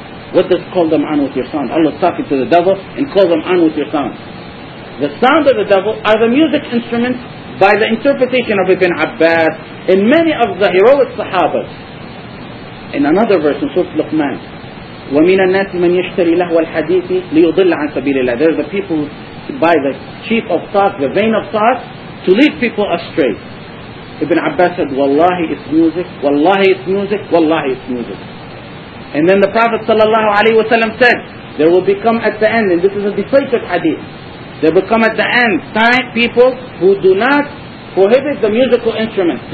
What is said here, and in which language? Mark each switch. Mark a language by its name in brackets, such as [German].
[English] What does call them on with your sound? Allah is talking to the devil, and call them on with your sound. The sound of the devil are the music instruments by the interpretation of Ibn Abbas and many of the heroic Sahabas. In another verse in Surah Luqman, [Arabic] وَمِنَ النَّاسِ مَنْ يَشْتَرِي لَهْوَ الْحَدِيثِ لِيُضِلَّ عَنْ سَبِيلِ اللَّهِ. [English] There are the people who buy the sheep of thought, the vein of thought, to lead people astray. Ibn Abbas said, Wallahi it's music, Wallahi it's music, Wallahi it's music. And then the Prophet sallallahu alaihi wasallam said, there will become at the end, and this is a decisive hadith, there will come at the end time people who do not prohibit the musical instruments.